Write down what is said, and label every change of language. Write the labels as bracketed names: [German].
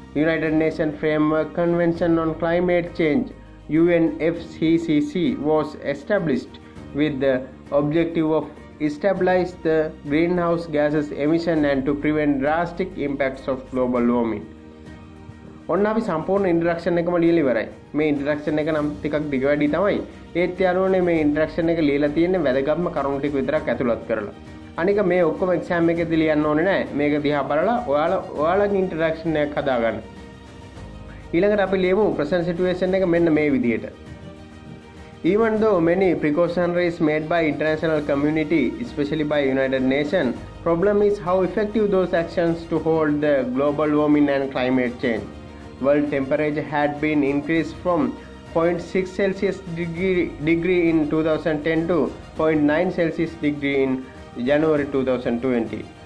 [English] United Nations Framework Convention on Climate Change, UNFCCC, was established with the objective of stabilize the greenhouse gases emission and to prevent drastic impacts of global warming. [Sinhala] ඔන්න අපි සම්පූර්ණ ඉන්ට්‍රැක්ෂන් එකම ලියලා ඉවරයි. මේ ඉන්ට්‍රැක්ෂන් එක නම් ටිකක් දිග වැඩි තමයි. ඒත් යනෝනේ මේ ඉන්ට්‍රැක්ෂන් එක ලියලා තියෙන්නේ වැදගත්ම කරුණු ටික විතරක් ඇතුළත් කරලා. අනික මේ ඔක්කොම එක්සෑම් එකේදී ලියන්න ඕනේ නැහැ. මේක දිහා බලලා ඔයාලගේ ඉන්ට්‍රැක්ෂන් එකක් හදාගන්න. ඊළඟට අපි ලියමු ප්‍රසන්ට් සිටුේෂන් එක මෙන්න මේ විදිහට. [English] Even though many precautionaries made by international community, especially by United Nations, problem is how effective those actions to hold the global warming and climate change. World temperature had been increased from 0.6 Celsius degree in 2010 to 0.9 Celsius degree in January 2020.